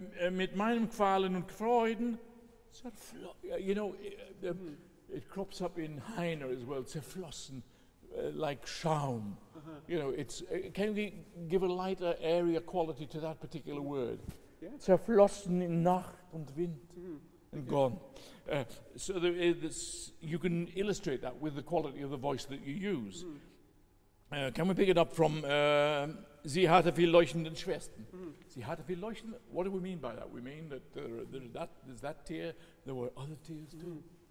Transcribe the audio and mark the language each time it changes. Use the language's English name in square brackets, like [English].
[German] Mit meinem Qualen und Freuden, [English] you know, it crops up in Heiner as well, [German] zerflossen, [English] like [German] Schaum. Uh-huh. [English] You know, it's. Can we give a lighter area quality to that particular word? Yeah. [German] Zerflossen in Nacht und Wind. Mm-hmm. [English] And okay. gone. So there is this, you can illustrate that with the quality of the voice that you use. Mm-hmm. Can we pick it up from [German] Sie hatte viel leuchtenden Schwestern? Mm-hmm. Sie hatte viel leuchtenden. [English] What do we mean by that? We mean that there's that tear, there were other tears too.